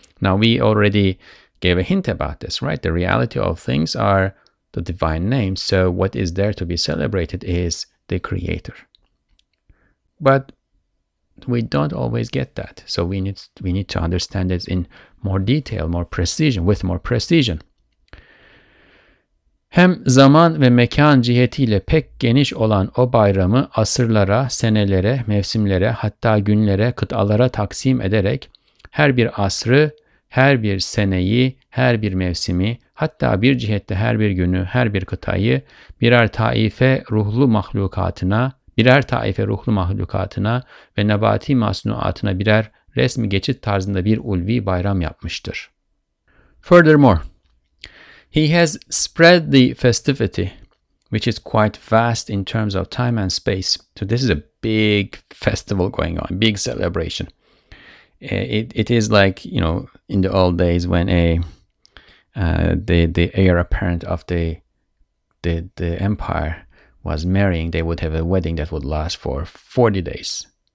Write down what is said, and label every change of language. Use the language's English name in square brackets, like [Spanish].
[English] Now, we already gave a hint about this, right? The reality of things are the divine names. So what is there to be celebrated is the Creator. But we don't always get that. So we need to understand this in more detail, more precision, with more precision. [Turkish] Hem zaman ve mekan cihetiyle pek geniş olan o bayramı asırlara, senelere, mevsimlere, hatta günlere, kıtalara taksim ederek her bir asrı, her bir seneyi, her bir mevsimi, Hatta bir cihette her bir günü, her bir kıtayı birer taife ruhlu mahlukatına, birer taife ruhlu mahlukatına ve nebati masnuatına birer resmi geçit tarzında bir ulvi bayram yapmıştır. [English] Furthermore, he has spread the festivity, which is quite vast in terms of time and space. So this is a big festival going on, big celebration. It is like, you know, in the old days when the heir apparent of the empire was marrying, they would have a wedding that would last for 40 days.